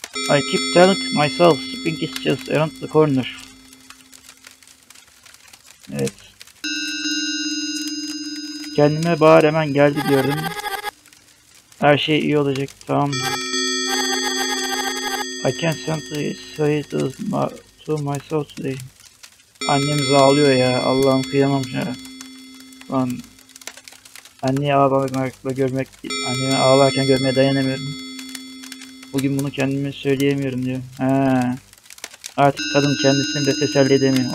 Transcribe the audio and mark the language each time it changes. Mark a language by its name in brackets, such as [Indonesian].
[English] I keep telling myself, Spink is just around the corner. [Turkish] Evet. Kendime bağır, hemen geldi diyorum. Her şey iyi olacak, tamam. [English] I can't simply say it to myself today. [Turkish] Annem ağlıyor ya, Allah'ım kıyamam ya. Lan. Anneyi ağlamakla görmek, annemi ağlarken görmeye dayanamıyorum. Bugün bunu kendime söyleyemiyorum diyor. Ha. Artık kadın kendisini de teselli edemiyor.